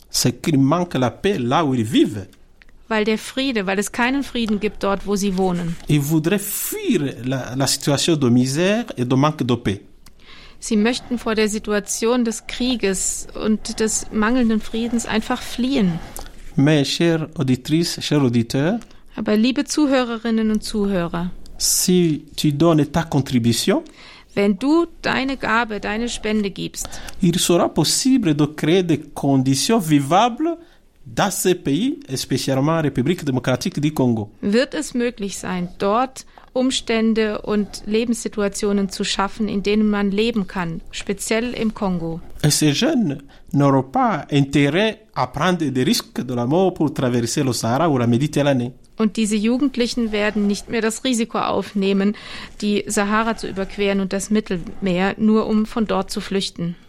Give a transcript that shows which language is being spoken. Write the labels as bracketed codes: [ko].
[fr] C'est qu'il manque la paix là où ils vivent. [de] Weil der Friede, weil es keinen Frieden gibt dort, wo sie wohnen. [fr] Ils voudraient fuir la situation de misère et de manque de paix. [de] Sie möchten vor der Situation des Krieges und des mangelnden Friedens einfach fliehen. [fr] Mais chère auditrice, cher auditeur, [de] aber liebe Zuhörerinnen und Zuhörer, [fr] si tu donnes ta contribution, [de] wenn du deine Gabe, deine Spende gibst, [fr] il sera possible de créer des conditions vivables dans ces pays, et spécialement en République démocratique du Congo. [de] Wird es möglich sein, dort Umstände und Lebenssituationen zu schaffen, in denen man leben kann, speziell im Kongo. [fr] Et ces jeunes n'auront pas intérêt à prendre des risques de la mort pour traverser le Sahara ou la Méditerranée. [de] Und diese Jugendlichen werden nicht mehr das Risiko aufnehmen, die Sahara zu überqueren und das Mittelmeer, nur um von dort zu flüchten.